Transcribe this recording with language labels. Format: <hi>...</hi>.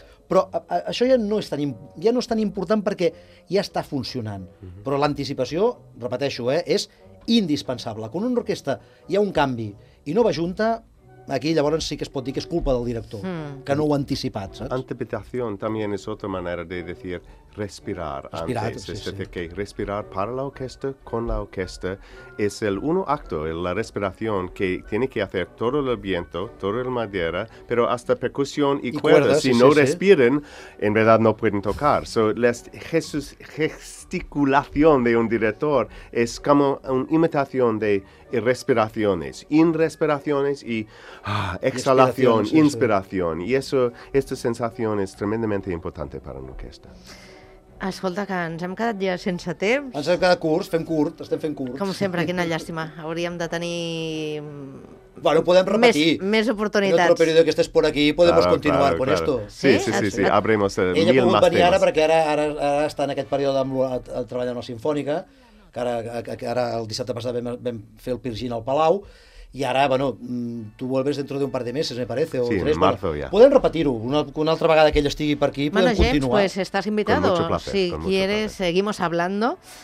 <ca>Però això ja no és tan important perquè ja està funcionant. Uh-huh. Però l'anticipació, repeteixo, és indispensable. Quan una orquestra hi ha un canvi i no va junta, aquí llavors sí que es pot dir que és culpa del director, que no ho ha anticipat, saps? Anticipació també és altra manera de dir respirar antes. Sí,</ca> <es>es decir, sí. Que respirar para la orquesta, con la orquesta, es el uno acto, la respiración que tiene que hacer todo el viento, todo el madera, pero hasta percusión y cuerdas. Sí, si sí, no sí. respiren, en verdad no pueden tocar. So, la gesticulación de un director es como una imitación de respiraciones, inrespiraciones y exhalación, sí, inspiración. Sí. Y eso, esta sensación es tremendamente importante para una orquesta.</es> <ca>Escolta, que ens hem quedat ja sense temps. Ens hem quedat curts, estem fent curts. Com sempre, quina llàstima. Hauríem de tenir... Bueno, podem repetir. Més oportunitats.</ca> <es>En otro periodo que estés por aquí, podemos continuar con esto. Sí. Abrimos mil más temes.</es> <ca>Ella ha pogut venir ara, perquè ara està en aquest període amb el treball amb la Sinfònica, que ara el dissabte passat vam fer el Pirgin al Palau, i ara, bueno,</ca> <es>tu vuelves dentro de un par de meses, me parece. Sí, tres, en marzo ya.</es> <ca>Podem repetir-ho, una altra vegada que ell estigui per aquí, podem continuar.</ca> <es>Bueno, James, pues estás invitado. Con mucho placer. Si quieres, seguimos hablando.</es>